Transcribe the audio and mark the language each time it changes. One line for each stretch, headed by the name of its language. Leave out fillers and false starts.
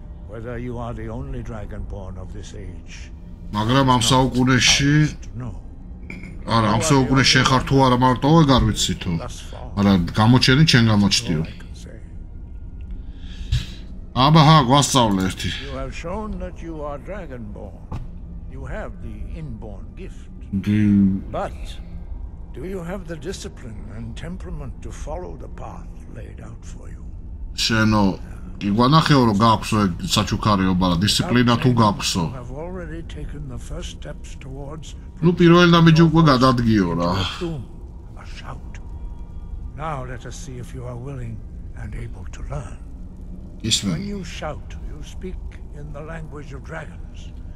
English: Whether you are the only Dragonborn of this age.
Georgian: მაგრამ ამ საუკუნეში არა, ამ საუკუნეში შენ ხარ თუ არა მარტო ეგ არ ვიციო. არა, გამოჩენი შენ გამოჩდიო. აბა ჰა, გვასწავლე ერთი.
English: You have shown that you are Dragonborn. You have the inborn gift. But do you have the discipline and temperament to follow the path laid out for you?
Georgian: შენო, იგვანახეო რომ გაქვსო საჩუქარიობა და დისციპლინა თუ გაქვსო?
English: You have already taken the first steps towards.
Georgian: ნუ პირველ ნამიჯი უკვე გადადგიო რა.
English: shout. Now let us see if you are willing and able to learn. Yes, ma'am. When you shout, you speak in the language of dragons.